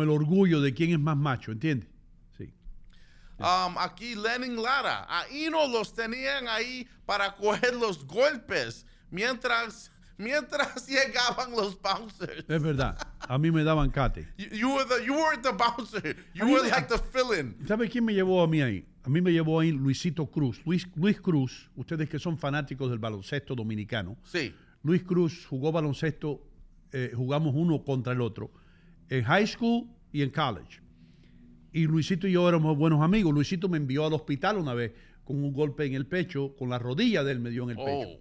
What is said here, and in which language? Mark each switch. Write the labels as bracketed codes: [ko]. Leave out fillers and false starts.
[es] Con el orgullo de quién es más macho, ¿entiendes? Aquí Lenin Lara, ahí no los tenían ahí para coger los golpes mientras llegaban los bouncers. Es verdad, a mí me daban cate. [en] You were the bouncer, you were like the fill-in. [es] ¿Sabe quién me llevó a mí ahí? A mí me llevó ahí Luisito Cruz. Luis Cruz, ustedes que son fanáticos del baloncesto dominicano. Sí. Luis Cruz jugó baloncesto, jugamos uno contra el otro, en high school y en college. Y Luisito y yo éramos buenos amigos. Luisito me envió al hospital una vez con un golpe en el pecho, con la rodilla de él me dio en el pecho.